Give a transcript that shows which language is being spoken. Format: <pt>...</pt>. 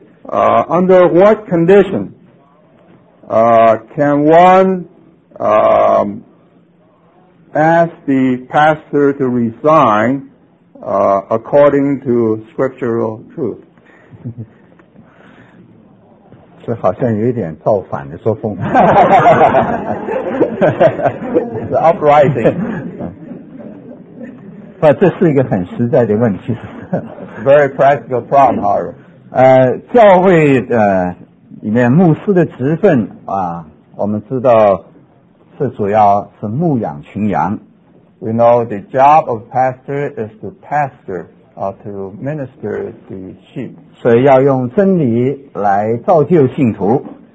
<en>Under what condition can one ask the pastor to resign according to scriptural truth?</en> <zh>这好像有一点造反的作风。</zh> <en>The uprising.</en> <zh>不，这是一个很实在的问题。</zh> <en>Very practical problem, however.</en> <zh>教会里面牧师的职分啊，我们知道是主要是牧养群羊。</zh> <en>We know the job of pastor is to pastor. To minister the sheep.</en> <zh>所以要用真理来造就信徒。</zh>